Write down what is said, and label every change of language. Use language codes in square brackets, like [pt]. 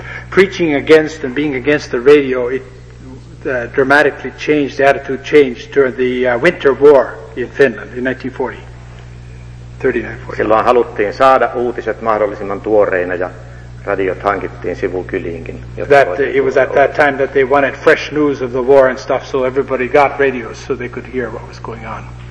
[en] Preaching against and being against the radio, it dramatically changed, the attitude changed during the winter war in Finland in 1939-40. [fi] Silloin haluttiin saada uutiset mahdollisimman tuoreina ja radiot hankittiin sivukyliinkin. [en] That it was at that time that they wanted fresh news of the war and stuff, so everybody got radios so they could hear what was going on.